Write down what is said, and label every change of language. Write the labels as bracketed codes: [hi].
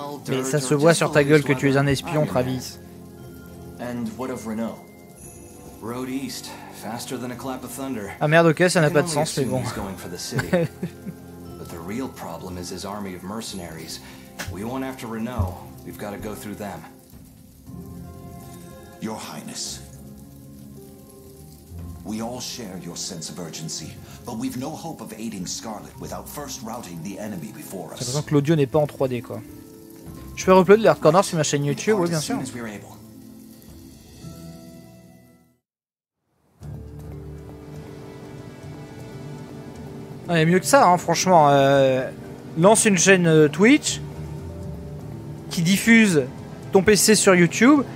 [fr] Mais ça se voit sur ta gueule que tu es un espion, Travis. [en] And what of Renault? Road east, faster than a clap of thunder. [fr] Ah merde, ok, ça n'a pas de sens, mais bon. [en] He's going for the city. But the real problem is his army of mercenaries. We won't have to Renault. We've got to go through them. Your Highness, we all share your sense of urgency, but we've no hope of aiding Scarlet without first routing the enemy before us. [fr] C'est pour ça que l'audio n'est pas en 3D, quoi. Je peux re-uploader l'Arc Corner sur ma chaîne YouTube, oui, bien sûr. As ouais, mieux que ça, hein, franchement. Lance une chaîne Twitch qui diffuse ton PC sur YouTube.